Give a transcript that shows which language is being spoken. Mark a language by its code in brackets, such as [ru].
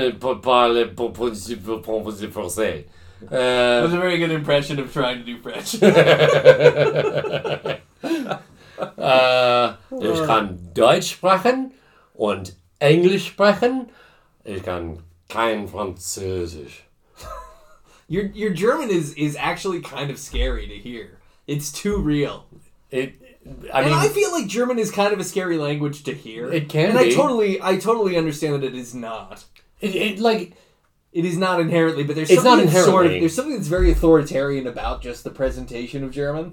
[fr] Je ne parle pas français. [en] That was a very good impression of trying to do French. [de] Ich kann Deutsch sprechen und Englisch sprechen. Ich kann kein Französisch. [en] Your German is actually kind of scary to hear. It's too real. I mean, I feel like German is kind of a scary language to hear. It can and be. And I totally understand that it is not. It is not inherently, but there's something there's something that's very authoritarian about just the presentation of German.